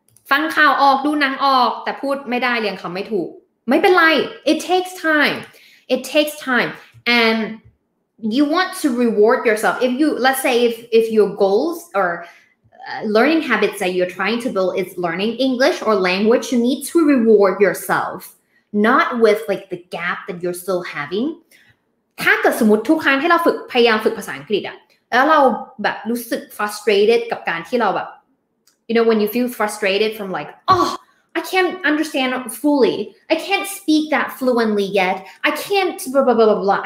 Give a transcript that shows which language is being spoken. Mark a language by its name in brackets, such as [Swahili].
[Thai] ฟังข่าวออกดูหนังออกแต่พูดไม่ได้เรียงคำไม่ถูกไม่เป็นไร [English] It takes time. It takes time. And you want to reward yourself. If you, let's say if your goals or learning habits that you're trying to build is learning English or language, you need to reward yourself. Not with like the gap that you're still having. [Thai] ถ้าเกิดสมมติทุกครั้งที่เราฝึกพยายามฝึกภาษาอังกฤษอะแล้วเราแบบรู้สึก frustrated กับการที่เราแบบ [English] you know when you feel frustrated from like oh I can't understand fully I can't speak that fluently yet I can't blah blah blah blah, blah.